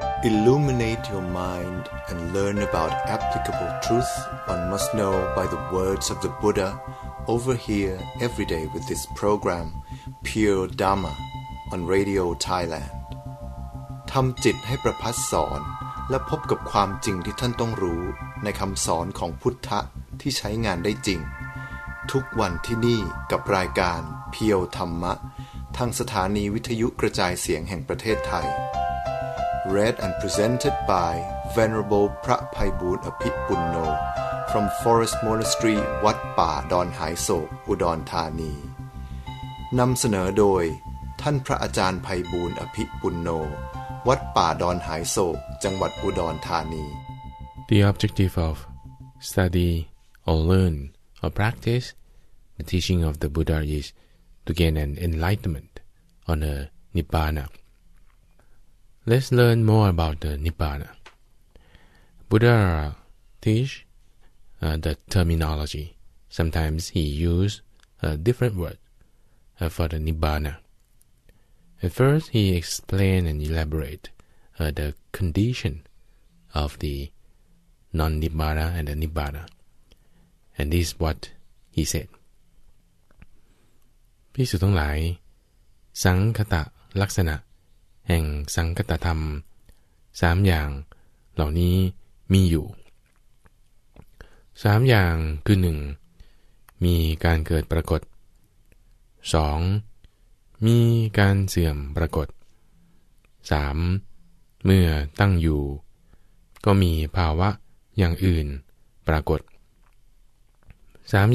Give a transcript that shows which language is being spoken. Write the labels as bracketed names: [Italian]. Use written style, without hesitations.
[English] Illuminate your mind and learn about applicable truth one must know by the words of the Buddha over here every day with this program, Pure Dharma, on Radio Thailand. [Thai] ทำจิตให้ประพัสสอนและพบกับความจริงที่ท่านต้องรู้ในคำสอนของพุทธะที่ใช้งานได้จริงทุกวันที่นี่กับรายการเพียวธรรมะทางสถานีวิทยุกระจายเสียงแห่งประเทศไทย [English] Read and presented by Venerable [Thai] พระไพบูลย์อภิปุณโญ [English] from Forest Monastery [Thai] วัดป่าดอนหายโศกอุดรธานีนำเสนอโดยท่านพระอาจารย์ไพบูลย์อภิปุณโญวัดป่าดอนหายโศกจังหวัดอุดรธานี [English] The objective of study or learn or practice the teaching of the Buddha is to gain an enlightenment on a Nibbana. Let's learn more about the Nibbana. Buddha teach the terminology. Sometimes he used a different word for the Nibbana. At first, he explained and elaborated the condition of the non-Nibbana and the Nibbana. And this is what he said. [Thai] ภิกษุทั้งหลายสังคตะลักษณะแห่งสังคตธรรมสามอย่างเหล่านี้มีอยู่สามอย่างคือหนึ่งมีการเกิดปรากฏสองมีการเสื่อมปรากฏ 3. เมื่อตั้งอยู่ก็มีภาวะอย่างอื่นปรากฏ 3.